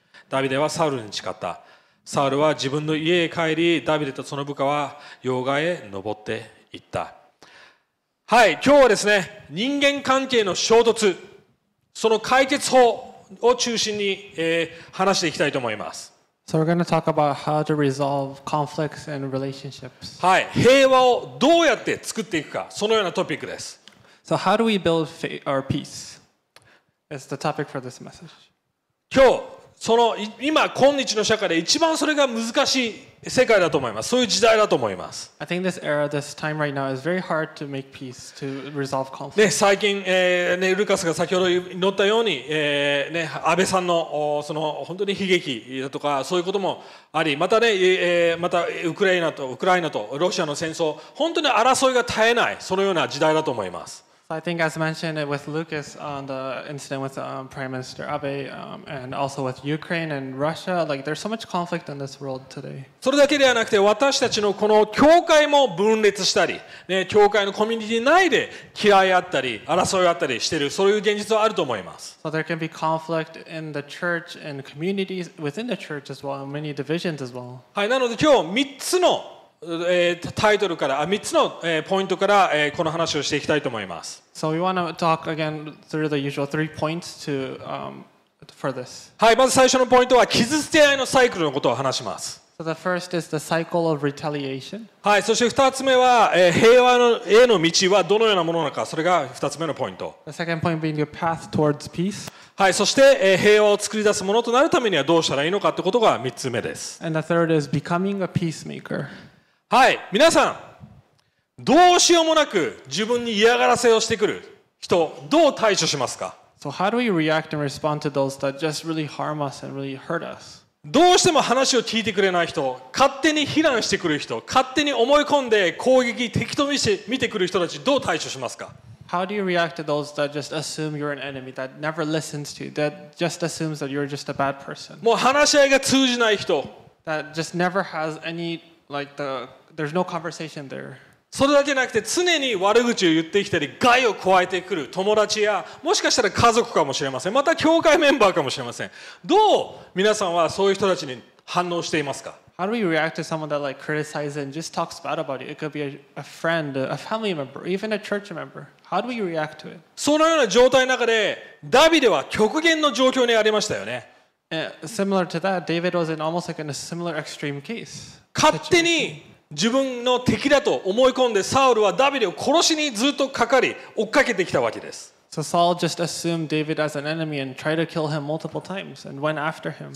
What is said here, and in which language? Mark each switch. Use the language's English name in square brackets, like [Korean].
[Japanese] ダビデはサウルに誓った。サウルは自分の家へ帰り、ダビデとその部下は用賀へ登っていった。はい、今日はですね、人間関係の衝突、その解決法を中心に、話していきたいと思います。 [English] So we're going to talk about how to resolve conflicts and relationships. [Japanese] はい、平和をどうやって作っていくか、そのようなトピックです。 [English] So how do we build our peace? It's the topic for this message. [Japanese] 今日その今今日の社会で一番それが難しい世界だと思います。そういう時代だと思います。 [English] I think this era, this time right now is very hard to make peace, to resolve conflict. [Japanese] ね、最近、ね、ルカスが先ほど言ったように、ね、安倍さんの、その本当に悲劇だとか、そういうこともあり、またね、またウクライナとロシアの戦争、本当に争いが絶えない、そのような時代だと思います。 [English] So I think as mentioned with Lucas on the incident with Prime Minister Abe and also with Ukraine and Russia, like there's so much conflict in this world today. [Japanese] それだけではなくて私たちのこの教会も分裂したり、ね、教会のコミュニティ内で嫌いあったり争いあったりしている、そういう現実はあると思います。 [English] So there can be conflict in the church and communities within the church as well, and many divisions as well. [Japanese] はい、なので今日3つのタイトルから3つのポイントからこの話をしていきたいと思います。 [English] So we want to talk again through the usual three points to, for this. [Japanese] はい、まず最初のポイントは傷つけ合いのサイクルのことを話します。 [English] So the first is the cycle of retaliation. [Japanese] はい、そして2つ目は平和への道はどのようなものなのか、それが2つ目のポイント。 [English] The second point being your path towards peace. [Japanese] はい、そして平和を作り出すものとなるためにはどうしたらいいのかということが3つ目です。 [English] And the third is becoming a peacemaker. [Japanese] はい、皆さんどうしようもなく自分に嫌がらせをしてくる人、どう対処しますか？ [English] So how do we react and respond to those that just really harm us and really hurt us? [Japanese] どうしても話を聞いてくれない人、勝手に非難してくる人、勝手に思い込んで攻撃、敵と見てくる人たち、どう対処しますか？ [English] How do you react to those that just assume you're an enemy, that never listens to you, that just assumes that you're just a bad person? [Japanese] もう話し合いが通じない人。 [English] That just never has any, like, the, there's no conversation there. [Japanese] それだけなくて常に悪口を言ってきたり、害を加えてくる友達や、もしかしたら家族かもしれません。また教会メンバーかもしれません。どう皆さんはそういう人たちに反応していますか？ [English] How do we react to someone that like criticizes and just talks bad about you? It could be a friend, a family member, even a church member. How do we react to it? [Japanese] そのような状態の中でダビデは極限の状況にありましたよね。 [English] Similar to that, David was in almost like in a similar extreme case. [Japanese] 勝手に自分の敵だと思い込んで、サウルはダビデを殺しにずっとかかり追っかけてきたわけです。 [English] So Saul just assumed David as an enemy and tried to kill him multiple times and went after him.